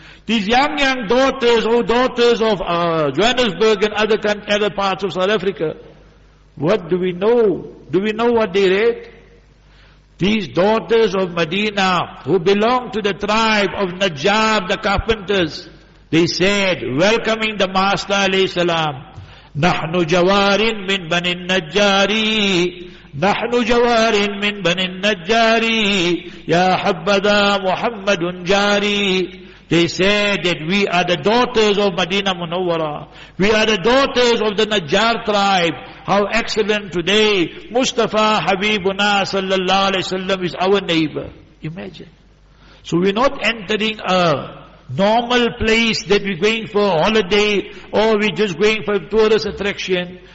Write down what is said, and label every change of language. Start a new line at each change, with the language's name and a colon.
English: These young daughters, oh daughters of Johannesburg and other parts of South Africa. What do we know? Do we know what they read? These daughters of Medina, who belong to the tribe of Najjar, the carpenters, they said, welcoming the Master alayhi salam.
Arabic: نحن جوار من بني النجاري نحن جوار من بني النجاري يا حبذا محمد جاري.
English: They said that we are the daughters of Madina Munawwara. We are the daughters of the Najjar tribe. How excellent today Mustafa Habibuna sallallahu alaihi wasallam is our neighbor. Imagine. So we're not entering a normal place that we're going for a holiday or we're just going for a tourist attraction.